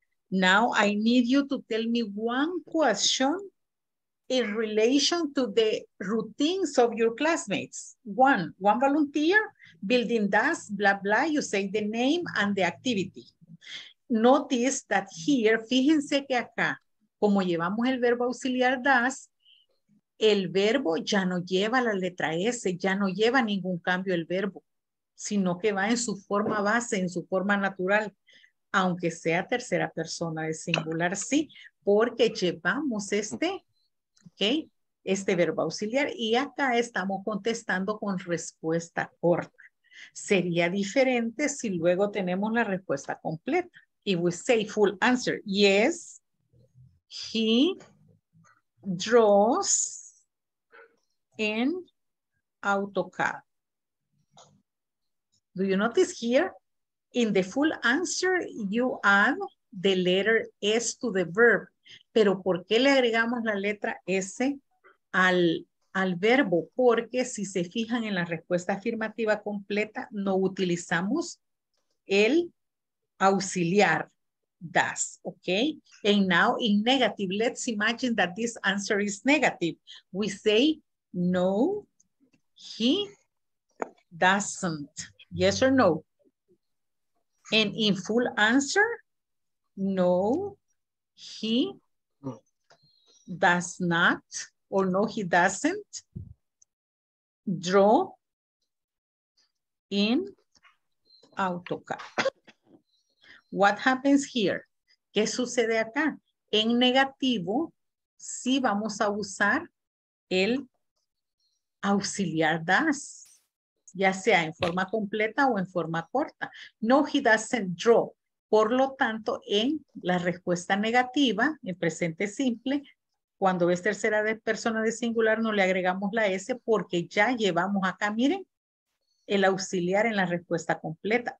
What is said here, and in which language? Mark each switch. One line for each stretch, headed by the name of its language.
English: Now I need you to tell me one question in relation to the routines of your classmates. One volunteer, building does, blah, blah, you say the name and the activity. Notice that here,
Spanish: fíjense que acá, como llevamos el verbo auxiliar does, el verbo ya no lleva la letra S, ya no lleva ningún cambio el verbo, sino que va en su forma base, en su forma natural, aunque sea tercera persona de singular, sí, porque llevamos este, okay, este verbo auxiliar, y acá estamos contestando con respuesta corta. Sería diferente si luego tenemos la respuesta completa.
English: Y we say full answer. Yes, he draws in AutoCAD. Do you notice here? In the full answer, you add the letter S to the verb.
Spanish: Pero ¿por qué le agregamos la letra S al verbo? Porque si se fijan en la respuesta afirmativa completa, no utilizamos el auxiliar does, okay?
English: And now in negative, let's imagine that this answer is negative. We say, no, he doesn't. Yes or no? And in full answer, no, he does not, or no, he doesn't draw in AutoCAD. What happens here?
Spanish: ¿Qué sucede acá? En negativo, sí vamos a usar el auxiliar does, ya sea en forma completa o en forma corta.
English: No, he doesn't draw.
Spanish: Por lo tanto, en la respuesta negativa, en presente simple, cuando es tercera de persona de singular, no le agregamos la S porque ya llevamos acá, miren, el auxiliar en la respuesta completa.